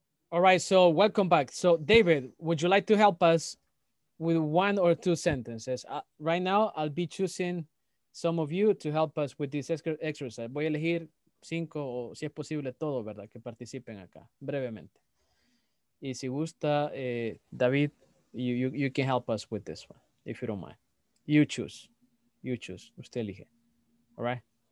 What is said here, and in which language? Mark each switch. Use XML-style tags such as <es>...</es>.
<en>All right, so welcome back. So David, would you like to help us with 1 or 2 sentences? Right now, I'll be choosing some of you to help us with this exercise.</en> <es>Voy a elegir 5 o si es posible todo, ¿verdad? Que participen acá, brevemente. Y si gusta,</es> <en>David, you can help us with this one, if you don't mind. You choose.</en> <es>Usted elige.</es> <en>All right?</en>